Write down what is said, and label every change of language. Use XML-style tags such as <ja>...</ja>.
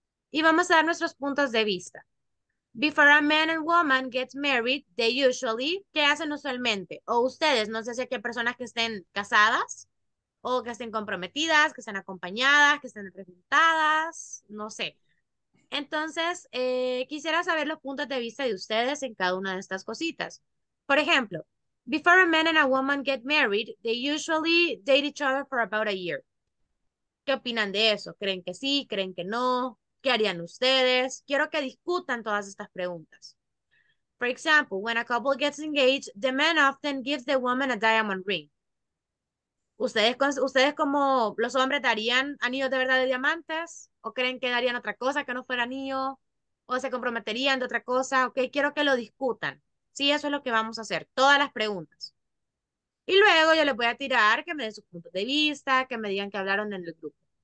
<es>Y vamos a dar nuestros puntos de vista.</es> <en>Before a man and woman get married, they usually,</en> <es>¿qué hacen usualmente? O ustedes, no sé si hay personas que estén casadas, o que estén comprometidas, que estén acompañadas, que estén representadas, no sé. Entonces, quisiera saber los puntos de vista de ustedes en cada una de estas cositas. Por ejemplo,</es> <en>before a man and a woman get married, they usually date each other for about a year.</en> <es>¿Qué opinan de eso? ¿Creen que sí? ¿Creen que no? ¿Qué harían ustedes? Quiero que discutan todas estas preguntas.</es> <en>For example, when a couple gets engaged, the man often gives the woman a diamond ring.</en> <es>¿Ustedes como los hombres darían anillos de verdad de diamantes? ¿O creen que darían otra cosa que no fuera anillo? ¿O se comprometerían de otra cosa? Ok, quiero que lo discutan. Sí, eso es lo que vamos a hacer. Todas las preguntas. Y luego yo les voy a tirar que me den sus puntos de vista, que me digan que hablaron en el grupo.</es>